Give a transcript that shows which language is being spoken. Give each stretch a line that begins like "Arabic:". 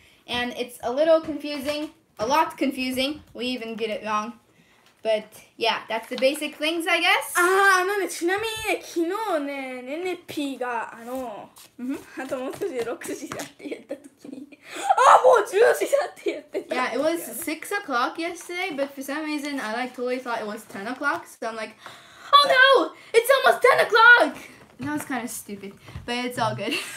English: And it's a little confusing, a lot confusing. We even get it wrong. But yeah, that's the basic things, I guess.
Japanese: ちなみにね、昨日ね、ねねぴーが、あともう少しで6時だって言ったときに、もう10時だって言ってた。
English: Yeah, it was 6 o'clock yesterday, but for some reason, I like totally thought it was 10 o'clock, so I'm like, oh no, it's almost 10 o'clock! And that was kind of stupid, but it's all good.